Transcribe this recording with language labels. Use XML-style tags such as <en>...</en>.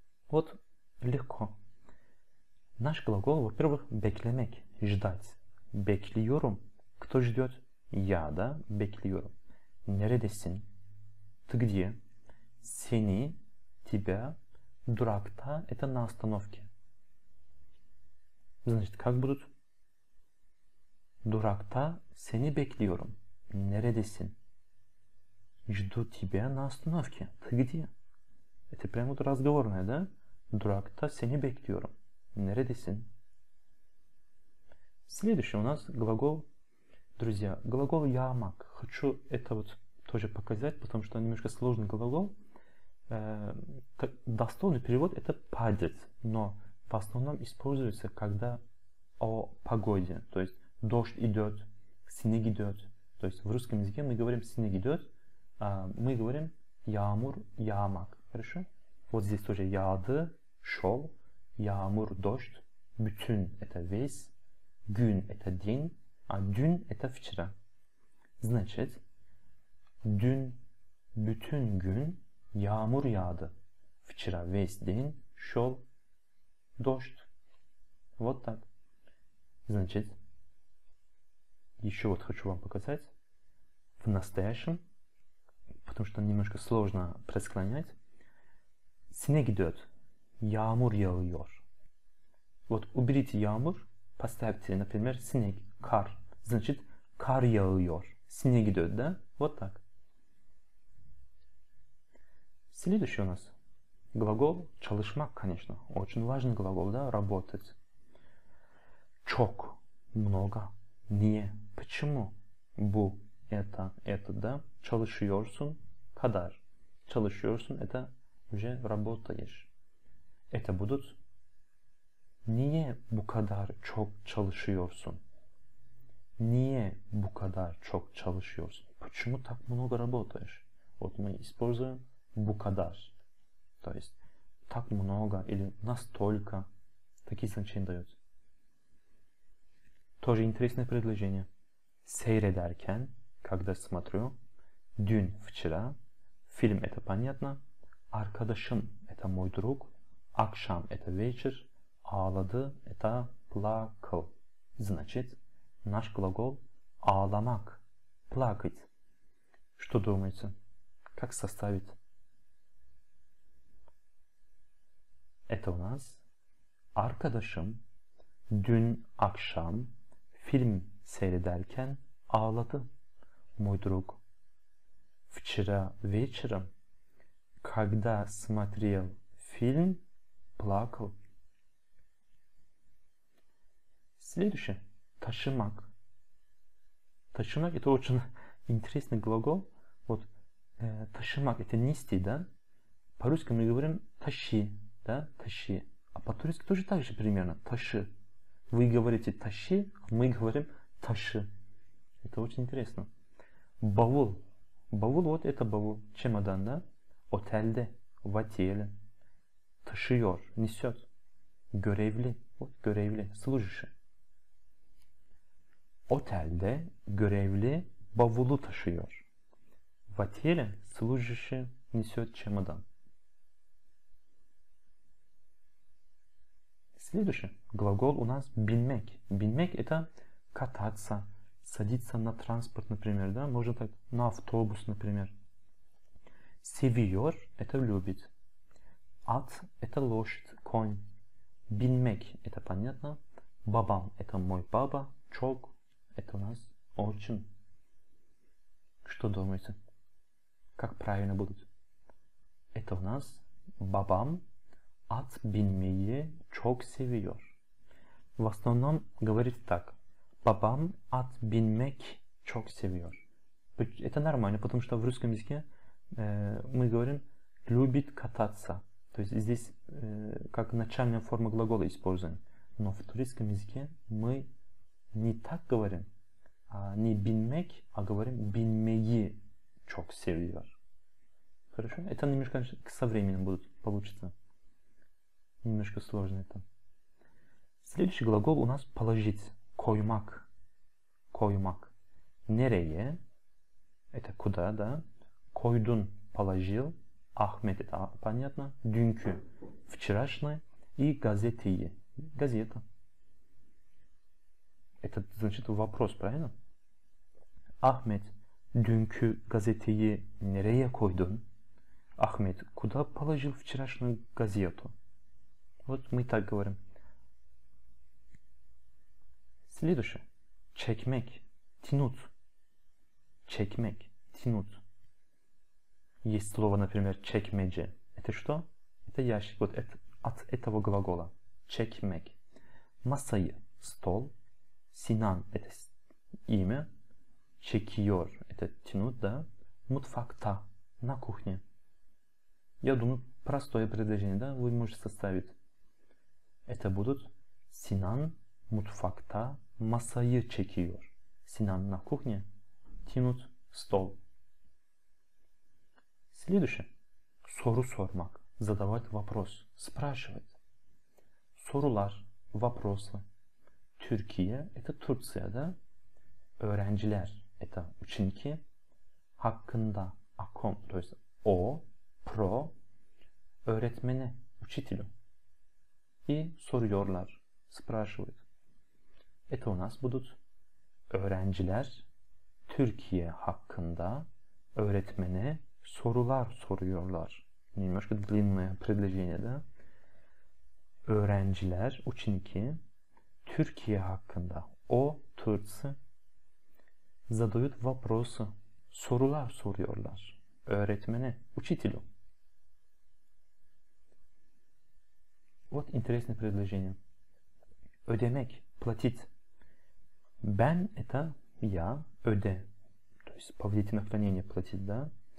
<ru>Вот легко. Наш глагол, во-первых, beklemek, ждать. Bekliyorum. Кто ждет? Я, да?</ru> <tr>Bekliyorum. Neredesin?</tr> <ru>Ты где? Seni, тебя, durakta, это на остановке. Значит, как будут?</ru> <tr>Durakta seni bekliyorum. Neredesin?</tr> <ru>Жду тебя на остановке. Ты где? Это прямо вот разговорное, да?</ru> <tr>Durakta seni bekliyorum. Neredesin?</tr> <ru>Следующий у нас глагол, друзья, глагол yağmak. Хочу это вот тоже показать, потому что он немножко сложный глагол. Дословный перевод это падет, но в основном используется, когда о погоде. То есть дождь идет, снег идет. То есть в русском языке мы говорим снег идет, а мы говорим yağmur, yağmak. Хорошо? Вот здесь тоже yağdı, шел, yağmur, дождь, bütün это весь, gün это день, а dün это вчера. Значит,</ru> <tr>dün bütün gün yağmur yağdı.</tr> <ru>Вчера весь день шел дождь. Вот так. Значит, еще вот хочу вам показать в настоящем, потому что немножко сложно просклонять. Снег идет,</ru> <tr>yağmur yağıyor.</tr> <ru>Вот уберите yağmur, поставьте, например, снег, кар. Значит, кар</ru> <tr>yağıyor,</tr> <ru>снег идет, да? Вот так. Следующий у нас глагол çalışmak, конечно. Очень важный глагол, да, работать. Çok, много, не, почему, bu, это, да? Çalışıyorsun, kadar. Çalışıyorsun, это... уже работаешь. Это будут</ru> <tr>niye bu kadar çok çalışıyorsun? Niye bu kadar çok çalışıyorsun?</tr> <ru>Почему так много работаешь? Вот мы используем</ru> <tr>bu kadar.</tr> <ru>То есть так много или настолько. Такие значения дают. Тоже интересное предложение. Seyrederken, когда смотрю, dün, вчера, фильм, это понятно, arkadaşım, это мой друг, akşam, это вечер, ağladı, это плакал. Значит, наш глагол ağlamak, плакать. Что думаете? Как составить?</ru> <tr>Это у нас arkadaşım, dün akşam, film seyrederken ağladı,</tr> <ru>мой друг. Вчера вечером, когда смотрел фильм, плакал. Следующее. Taşımak. Taşımak это очень интересный глагол. Вот taşımak это нести, да? По-русски мы говорим taşı, да?</ru> <tr>Taşı.</tr> <ru>А по-турецки тоже так же примерно.</ru> <tr>Taşı.</tr> <ru>Вы говорите taşı, а мы говорим taşı. Это очень интересно. Bavul. Bavul вот это bavul. Чемодан, да? Otelde, в отеле, taşıyor, несет, görevli, вот görevli, служащий.</ru> <tr>Otelde görevli bavulu taşıyor.</tr> <ru>В отеле служащий несет чемодан. Следующий глагол у нас binmek. Binmek это кататься, садиться на транспорт, например, да, можно так, на автобус, например. Seviyor – это любит. At – это лошадь, конь. Binmek – это понятно. Babam – это мой папа. Çok – это у нас очень. Что думаете? Как правильно будет? Это у нас</ru> <tr>babam at binmeyi çok seviyor.</tr> <ru>В основном говорит так.</ru> <tr>Babam at binmek çok seviyor.</tr> <ru>Это нормально, потому что в русском языке мы говорим любит кататься. То есть здесь как начальная форма глагола используем. Но в турецком языке мы не так говорим, а не binmek, а говорим</ru> <tr>binmeyi çok seviyor.</tr> <ru>Хорошо? Это немножко конечно, со временем будет получиться. Немножко сложно это. Следующий глагол у нас положить. Koymak. Koymak. Nereye? Это куда, да? Koydun, положил, Ahmet, это понятно, dünkü, вчерашнее, и gazeteyi, газета. Это значит вопрос, правильно?</ru> <tr>Ahmet, dünkü gazeteyi nereye koydun?</tr> <ru>Ahmet, куда положил вчерашнюю газету? Вот мы так говорим. Следующее. Çekmek, тянуть. Çekmek, тянуть. Есть слово, например, çekmece. это что? Это ящик. Вот это, от этого глагола. Çekmek. Masayı. Стол. Sinan. Это имя. Çekiyor. Это тянуть, да? Mutfakta. На кухне. Я думаю, простое предложение, да? Вы можете составить. Это будут</ru> <tr>Sinan mutfakta masayı çekiyor.</tr> <ru>Sinan на кухне. Тянут стол. Следующее. Soru sormak. Задавать вопрос. Спрашивать. Sorular. Вопросы. Türkiye. Это Турция'da. Öğrenciler. Это ученики. Hakkında. О ком. То есть о. Про. Öğretmene. Учителю. И soruyorlar. Спрашивают. Это у нас будут öğrenciler.</ru> <tr>Türkiye hakkında öğretmene sorular soruyorlar.</tr> <ru>Немножко длинное предложение, да?</ru> <tr>Öğrenciler,</tr> <ru>ученики,</ru> <tr>Türkiye hakkında, o, Türkçe,</tr> <ru>задают вопросы,</ru> <tr>sorular soruyorlar.</tr> <ru>Öğretmene, учителю. Вот интересное предложение. Ödemek, платить. Ben, это я, öde. То есть, повелительное наклонение платить, да?</ru>